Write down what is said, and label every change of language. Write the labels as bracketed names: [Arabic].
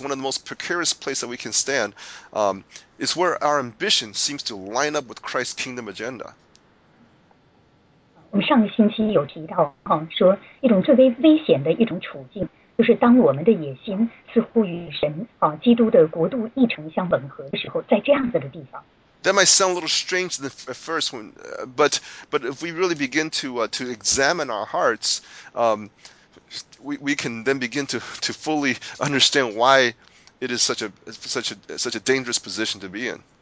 [English] One of the most precarious places that we can stand is where our ambition seems to line up with Christ's kingdom agenda. [Chinese] 我们上个星期有提到，说一种最为危险的一种处境，就是当我们的野心似乎与神基督的国度议程相吻合的时候，在这样子的地方。 [English] That might sound a little strange at first, but if we really begin to examine our hearts, we can then begin to fully understand why it is such a dangerous position to be in.